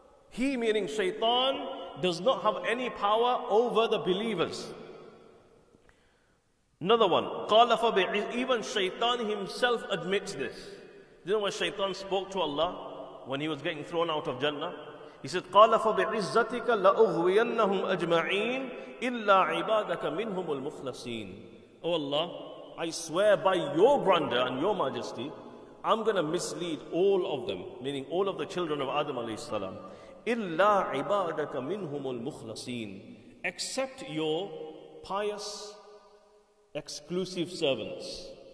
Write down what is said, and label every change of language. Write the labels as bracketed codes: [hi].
[en] He, meaning shaitan, does not have any power over the believers. Another one, qala fa bi, even shaitan himself admits this. Do you know when shaitan spoke to Allah when he was getting thrown out of Jannah? He said, [ar] قَالَ فَبِعِزَّتِكَ لَأُغْوِيَنَّهُمْ أَجْمَعِينَ إِلَّا عِبَادَكَ مِنْهُمُ الْمُخْلَصِينَ. [en] Oh Allah, I swear by your grandeur and your majesty, I'm going to mislead all of them, meaning all of the children of Adam alayhi salam. [ar] إِلَّا عِبَادَكَ مِنْهُمُ الْمُخْلَصِينَ. [en] Except your pious, exclusive servants.